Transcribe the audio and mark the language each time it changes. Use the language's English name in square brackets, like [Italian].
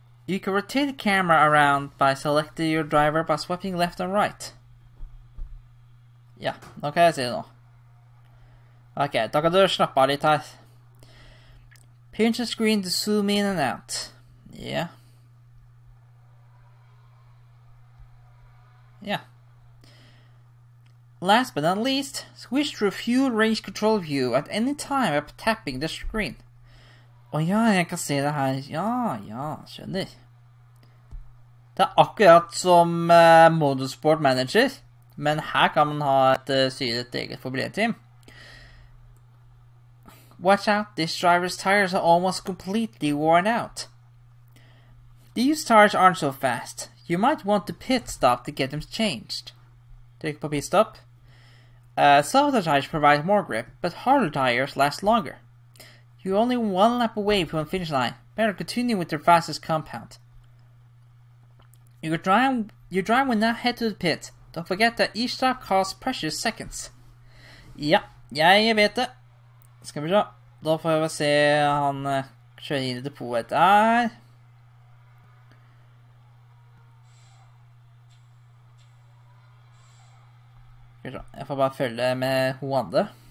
[English] You can rotate the camera around by selecting your driver by swiping left and right. [Norwegian] Ja, nå kan jeg si det nå. Ok, da kan du slappe av litt her. [English] Pinch the screen to zoom in and out. Ja. [Norwegian] Ja. [English] Last but not least, switch to a fuel range control view at any time by tapping the screen. [Norwegian] Åja, jeg kan se det her. Ja, skjønner. Det er akkurat som Motorsport Manager. Men her kan man ha et styret eget problemteam. [English] Watch out, this driver's tires are almost completely worn out. These tires aren't so fast. You might want to pit stop to get them changed. [Norwegian] Trykk på pit stop. [English] Some of the tires provide more grip, but harder tires last longer. You're only one lap away from the finish line. Better continue with your fastest compound. Your driver will now head to the pit. Don't forget that each stop costs precious seconds. [Norwegian] Ja, jeg vet det. Skal vi se. Da får vi se han kjører inn i depoet der. Skal vi se. Jeg får bare følge med ho andre.